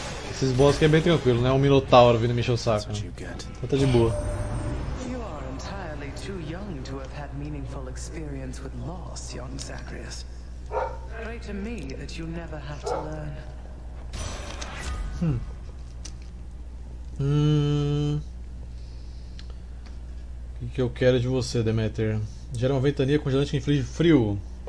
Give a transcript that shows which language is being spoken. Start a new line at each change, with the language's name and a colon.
Portuguese: Esses boss aqui é bem tranquilo, né? Um Minotauro vindo me encher o saco. Então tá de boa.
English: You are entirely too young to have had meaningful experience with loss, young Zacharias. Pray to me that you never have to learn.
Portuguese: O que, que eu quero de você, Demeter? Gera uma ventania congelante que inflige frio.